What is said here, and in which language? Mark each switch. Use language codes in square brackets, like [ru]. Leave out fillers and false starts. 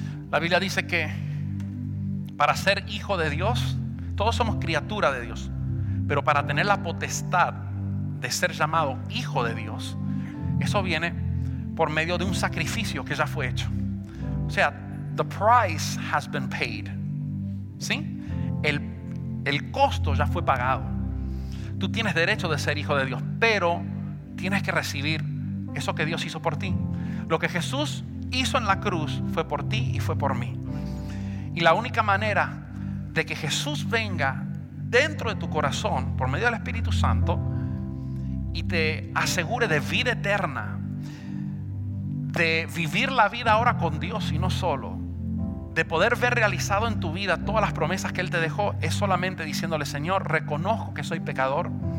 [es] La Biblia dice que para ser hijo de Dios, todos somos criatura de Dios, pero para tener la potestad de ser llamado hijo de Dios, eso viene por medio de un sacrificio que ya fue hecho. O sea, [en] the price has been paid. [es] ¿Sí? El costo ya fue pagado. Tú tienes derecho de ser hijo de Dios, pero tienes que recibir eso que Dios hizo por ti. Lo que Jesús hizo en la cruz fue por ti y fue por mí. Y la única manera de que Jesús venga dentro de tu corazón por medio del Espíritu Santo y te asegure de vida eterna, de vivir la vida ahora con Dios y no solo, de poder ver realizado en tu vida todas las promesas que Él te dejó, es solamente diciéndole: Señor, reconozco que soy pecador.